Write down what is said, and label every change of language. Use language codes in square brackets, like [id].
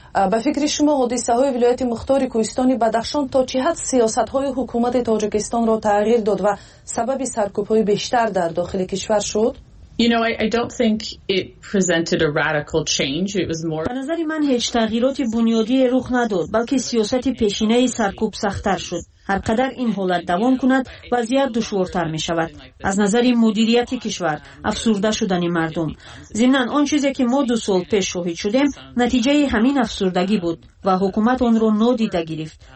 [fa] به فکر شما حادثه های ولایت مختار کوهستان بدخشان تا چه حد سیاست های حکومت تاجیکستان را تغییر داد و سبب سرکوب های بیشتر در داخل کشور شد؟ [en] I don't think it presented a radical change. It was more [fa] به نظر من هیچ تغییراتی بنیادی رخ نداد، بلکه سیاست پیشینه سرکوب سخت‌تر شد. هرقدر این حالت دوام کند، وضعیت دشوارتر می‌شود. از نظر مدیریت کشور، افسرده شدن مردم. ضمناً آن چیزی که ما دو سال پیش شاهد شدیم، نتیجه همین افسردگی بود و حکومت آن را نادیده گرفت.